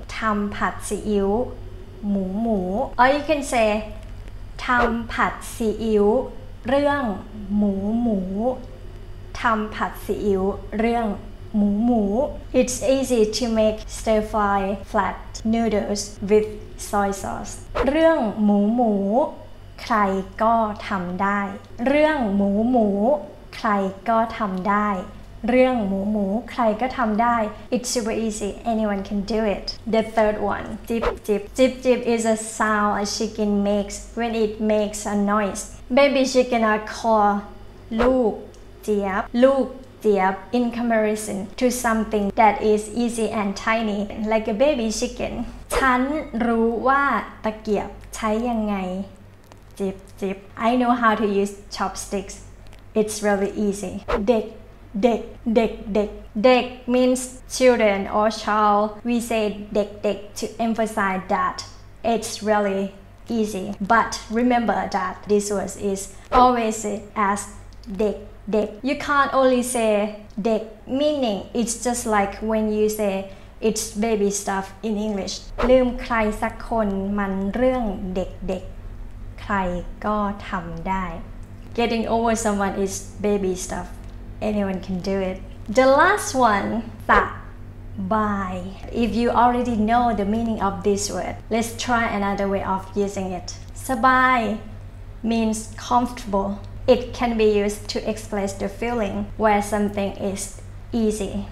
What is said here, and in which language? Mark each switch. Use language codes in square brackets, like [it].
[th] Tham phat si yu mu mu. [en] Or you can say [th] tham phat si yu rương mu mu. Tham phat si yu rương mu mu. [en] It's easy to make stir fry flat noodles with soy sauce. [th] Rương mu mu ใครก็ทำได้เรื่องหมูหมูใครก็ทำได้เรื่องหมูหมูใครก็ทำได้ [en] It's super easy, anyone can do it. The third one, jip jip. Jip jip is a sound a chicken makes when it makes a noise. Baby chicken are called lúc jip. Lúc jip in comparison to something that is easy and tiny like a baby chicken. [th] ฉันรู้ว่าตะเกียบใช้ยังไง Jip jip. [en] I know how to use chopsticks. It's really easy. Dek, dek, dek, dek. Dek means children or child. We say dek, dek to emphasize that it's really easy. But remember that this word is always as dek, dek. You can't only say dek, meaning it's just like when you say it's baby stuff in English. [th] ลืมใครสักคนมันเรื่องเด็กเด็กใครก็ทำได้ [en] Getting over someone is baby stuff. Anyone can do it. The last one, sa bai. If you already know the meaning of this word, let's try another way of using it. Sa bai means comfortable. It can be used to express the feeling where something is easy.